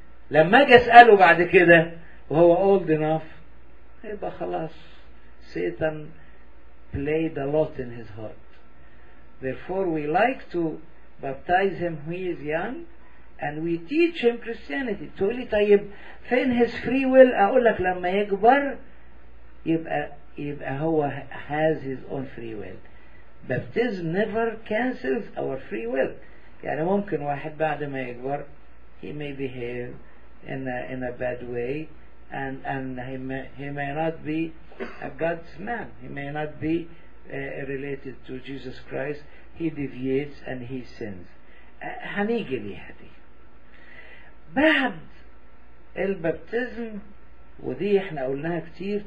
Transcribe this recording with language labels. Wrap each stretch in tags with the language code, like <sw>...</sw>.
<ar>لما اجي اساله بعد كده وهو</ar> <en>old enough,</en> <ar>يبقى خلاص,</ar> <en>Satan played a lot in his heart. Therefore we like to baptize him when he is young, and we teach him Christianity.</en> <ar>تقول لي طيب فين</ar> <en>his free will؟</en> <ar>اقول لك لما يكبر يبقى هو</ar> <en>has his own free will. Baptism never cancels our free will.</en> <ar>يعني ممكن واحد بعد ما يكبر</ar> <en>he may behave in a bad way, and he may not be a God's man, he may not be related to Jesus Christ, he deviates and he sins.</en> <ar>هنيجي ليها دي بعد البابتزم, ودي احنا قلناها كتير.</ar>